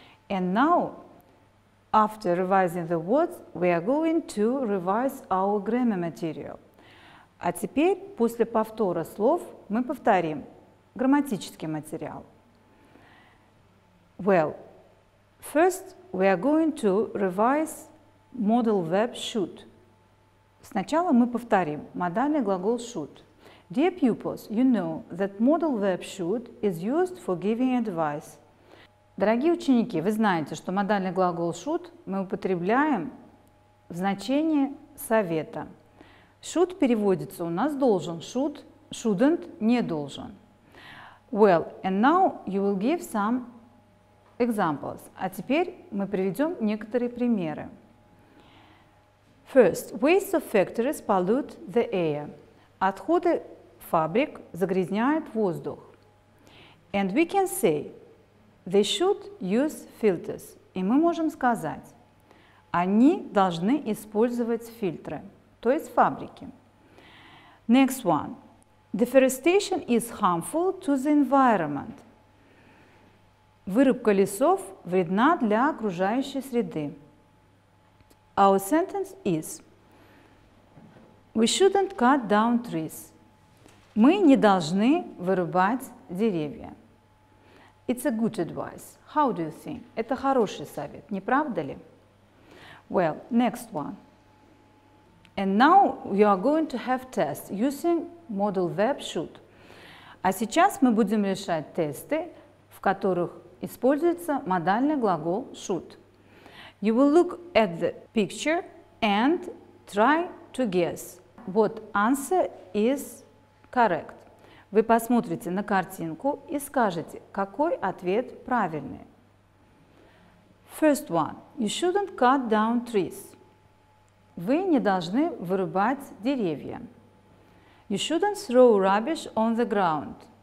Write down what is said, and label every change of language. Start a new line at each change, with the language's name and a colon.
English: And now, after revising the words, we are going to revise our grammar material.
Russian: А теперь, после повтора слов, мы повторим грамматический материал.
English: Well, first we are going to revise modal verb should.
Russian: Сначала мы повторим модальный глагол should.
English: Dear pupils, you know that modal verb should is used for giving advice.
Russian: Дорогие ученики, вы знаете, что модальный глагол should мы употребляем в значении совета. Should переводится у нас должен, should, shouldn't, не должен.
English: Well, and now you will give some examples.
Russian: А теперь мы приведем некоторые примеры.
English: First, waste of factories pollute the air.
Russian: Отходы фабрик загрязняют воздух.
English: And we can say, they should use filters.
Russian: И мы можем сказать, они должны использовать фильтры. То есть фабрики.
English: Next one. Deforestation is harmful to the environment.
Russian: Вырубка лесов вредна для окружающей среды.
English: Our sentence is: We shouldn't cut down trees.
Russian: Мы не должны вырубать деревья.
English: It's a good advice. How do you think?
Russian: Это хороший совет, не правда ли?
English: Well, next one. And now you are going to have tests using model verb should.
Russian: А сейчас мы будем решать тесты, в которых используется модальный глагол should.
English: You will look at the picture and try to guess what answer is correct.
Russian: Вы посмотрите на картинку и скажете, какой ответ правильный.
English: First one. You shouldn't cut down trees.
Russian: Вы не должны вырубать деревья.
English: You shouldn't throw rubbish on the ground.